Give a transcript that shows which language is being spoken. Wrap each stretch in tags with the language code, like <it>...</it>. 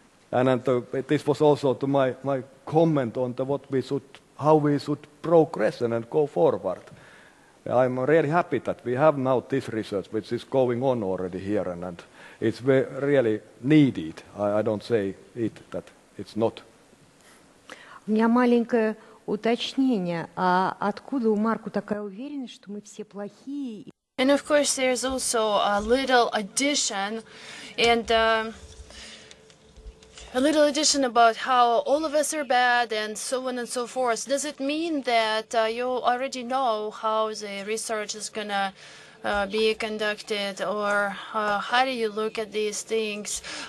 <en>And this was also to my comment on how we should progress and go forward. I'm really happy that we have now this research, which is going on already here, and it's really needed. I don't say it that it's not.</en> <ru>У меня маленькое уточнение. А откуда у Марку такая уверенность, что мы все плохие?</ru> <en>And of course, there's also a little addition, and a little addition about how all of us are bad and so on and so forth. Does it mean that you already know how the research is going to be conducted, or how do you look at these things?</en>